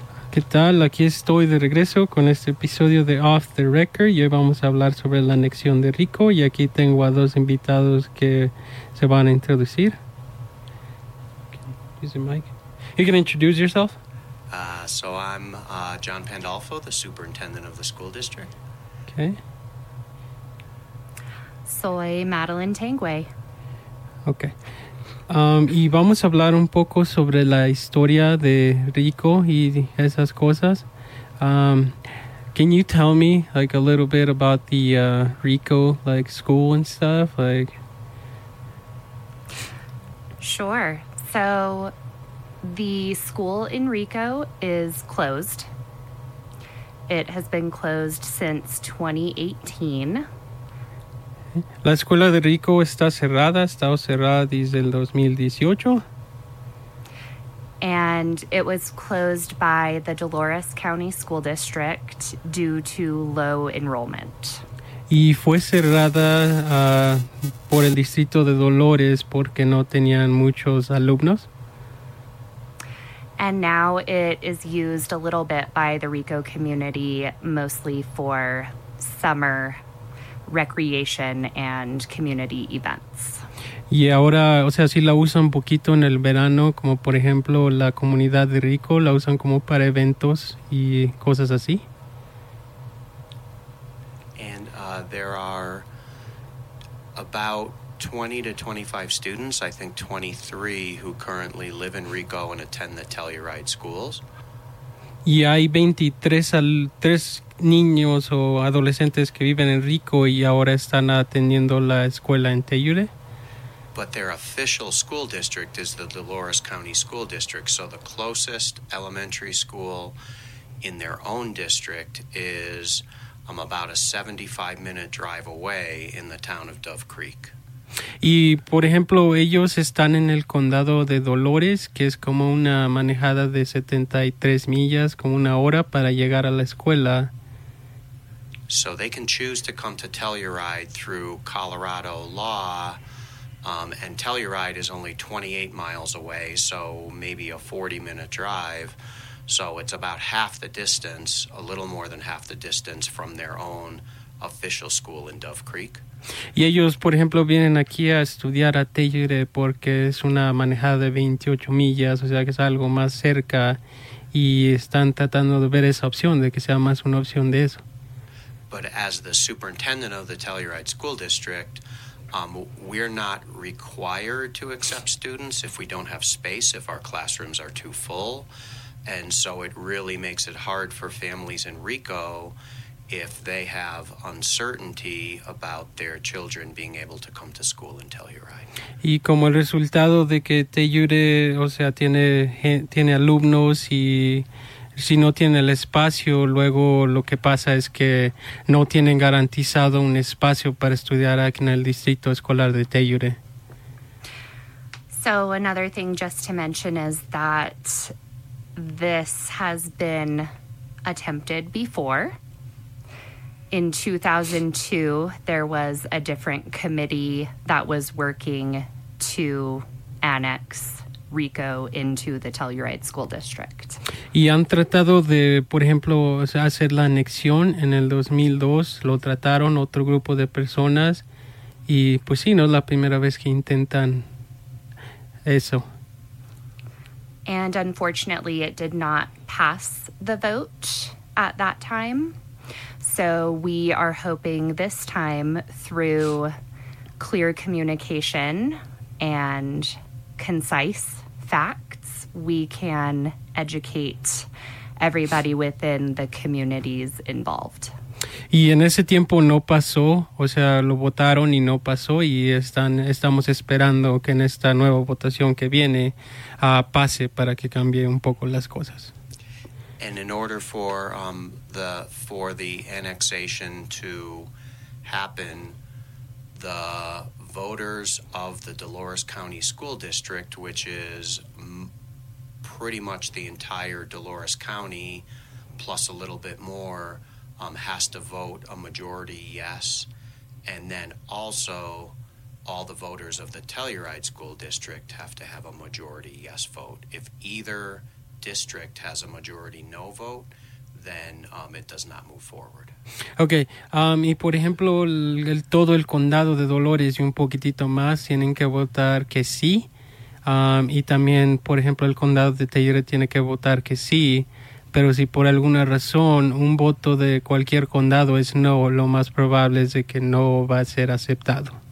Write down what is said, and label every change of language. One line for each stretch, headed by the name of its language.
Spanish: ¿Qué tal? Aquí estoy de regreso con este episodio de Off the Record. Y hoy vamos a hablar sobre la anexión de Rico. Y aquí tengo a dos invitados que se van a introducir.
English: Use the mic. You can introduce yourself. So I'm John Pandolfo, the superintendent of the school district. Okay.
Spanish: Soy Madeline Tanguay.
English: Okay.
Spanish: Y vamos a hablar un poco sobre la historia de Rico y esas cosas.
English: Can you tell me like a little bit about the Rico like school and stuff? Like, sure. So the school in Rico is closed. It has been closed since 2018.
Spanish: La escuela de Rico está cerrada, ha estado cerrada desde el 2018.
English: And it was closed by the Dolores County School District due to low enrollment.
Spanish: Y fue cerrada por el distrito de Dolores porque no tenían muchos alumnos.
English: And now it is used a little bit by the Rico community, mostly for summer recreation and community events.
Spanish: Y ahora, o sea, sí la usan poquito en el verano, como por ejemplo la comunidad de Rico la usan como para eventos y cosas así.
English: And there are about 20 to 25 students, I think 23, who currently live in Rico and attend the Telluride schools.
Spanish: Y hay 23 niños o adolescentes que viven en Rico y ahora están atendiendo la escuela en Telluride.
English: But their official school district is the Dolores County School District, so the closest elementary school in their own district is about a 75-minute drive away in the town of Dove Creek.
Spanish: Y, por ejemplo, ellos están en el condado de Dolores, que es como una manejada de 73 millas, como una hora para llegar a la escuela.
English: So they can choose to come to Telluride through Colorado law, and Telluride is only 28 miles away, so maybe a 40-minute drive. So it's about half the distance, a little more than half the distance from their own official school in Dove Creek.
Spanish: Y ellos, por ejemplo, vienen aquí a estudiar a Telluride porque es una manejada de 28 millas, o sea que es algo más cerca, y están tratando de ver esa opción, de que sea más una opción de eso.
English: But as the superintendent of the Telluride School District, we're not required to accept students if we don't have space, if our classrooms are too full. And so it really makes it hard for families in Rico if they have uncertainty about their children being able to come to school in Telluride.
Spanish: Y como el resultado de que Telluride, o sea, tiene alumnos y si no tiene el espacio, luego lo que pasa es que no tienen garantizado un espacio para estudiar aquí en el Distrito Escolar de Telluride.
English: So another thing just to mention is that this has been attempted before. In 2002, there was a different committee that was working to annex Rico into the Telluride School District.
Spanish: Y han tratado de, por ejemplo, hacer la anexión en el 2002. Lo trataron otro grupo de personas. Y pues sí, no es la primera vez que intentan eso.
English: And unfortunately, it did not pass the vote at that time. So we are hoping this time, through clear communication and concise facts, we can educate everybody within the communities involved.
Spanish: Y en ese tiempo no pasó, o sea, lo votaron y no pasó, y estamos esperando que en esta nueva votación que viene pase para que cambie un poco las cosas.
English: And in order for the annexation to happen, the voters of the Dolores County School District, which is pretty much the entire Dolores County plus a little bit more, has to vote a majority yes, and then also all the voters of the Telluride School District have to have a majority yes vote. If either district has a majority no vote, then it does not move forward.
Spanish: Okay, y por ejemplo, todo el condado de Dolores y un poquitito más tienen que votar que sí, y también, por ejemplo, el condado de Telluride tiene que votar que sí. Pero si por alguna razón un voto de cualquier condado es no, lo más probable es de que no va a ser aceptado.